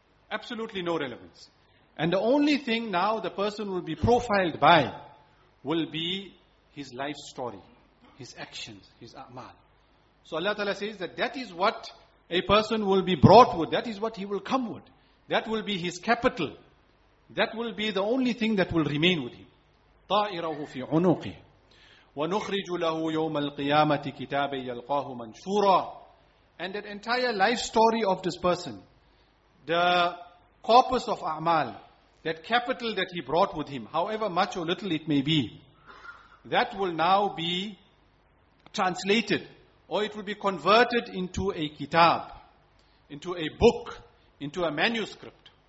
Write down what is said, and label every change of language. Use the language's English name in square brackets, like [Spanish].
[English] Absolutely no relevance. And the only thing now the person will be profiled by will be his life story, his actions, his a'mal. So Allah Ta'ala says that is what a person will be brought with, that is what he will come with. That will be his capital. That will be the only thing that will remain with him. [Arabic] طائره في عنقه ونخرج له يوم القيامة كتابا يلقاه منشورا. [English] And that entire life story of this person, the corpus of a'mal, that capital that he brought with him, however much or little it may be, that will now be translated, or it will be converted into a kitab, into a book, into a manuscript.